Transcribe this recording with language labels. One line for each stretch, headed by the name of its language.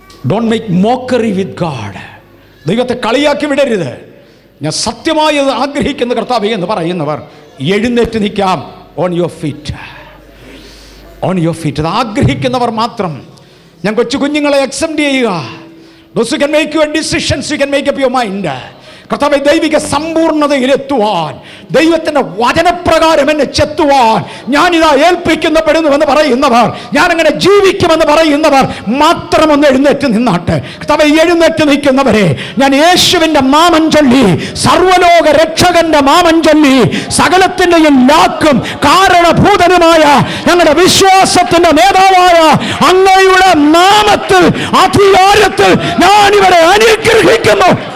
English: Don't make mockery with god.
Malayalam: ദൈവത്തെ കളിയാക്കി വിടരുത്. ഞാൻ സത്യമായി അത് ആഗ്രഹിക്കുന്ന കർത്താവ് എന്ന് പറയുന്നവർ എഴുന്നേറ്റ് നിൽക്കാം.
English: On your feet, on your feet.
Malayalam: അത് ആഗ്രഹിക്കുന്നവർ മാത്രം. ഞാൻ കൊച്ചു കുഞ്ഞുങ്ങളെ എക്സംപ്റ്റ് ചെയ്യുക.
English: Those who can make your decisions, you can make up your mind.
Malayalam: കർത്താവെ ദൈവിക സമ്പൂർണതയിലെത്തുവാൻ ദൈവത്തിൻ്റെ വചനപ്രകാരം എന്നെ ചെത്തുവാൻ ഞാനിതാ ഏൽപ്പിക്കുന്നപ്പെടുന്നുവെന്ന് പറയുന്നവർ, ഞാനങ്ങനെ ജീവിക്കുമെന്ന് പറയുന്നവർ മാത്രം ഒന്ന് എഴുന്നേറ്റ് നിന്നാട്ടെ. കർത്താവെ എഴുന്നേറ്റ് നിൽക്കുന്നവരെ, ഞാൻ യേശുവിൻ്റെ മാമൻ ചൊല്ലി, സർവലോക രക്ഷകൻ്റെ മാമൻ ചൊല്ലി, സകലത്തിൻ്റെയും ലാക്കും കാരണഭൂതനുമായ ഞങ്ങളുടെ വിശ്വാസത്തിൻ്റെ നേതാവായ അങ്ങയുടെ നാമത്തിൽ അധികാരത്തിൽ ഞാൻ ഇവരെ അനുഗ്രഹിക്കുന്നു.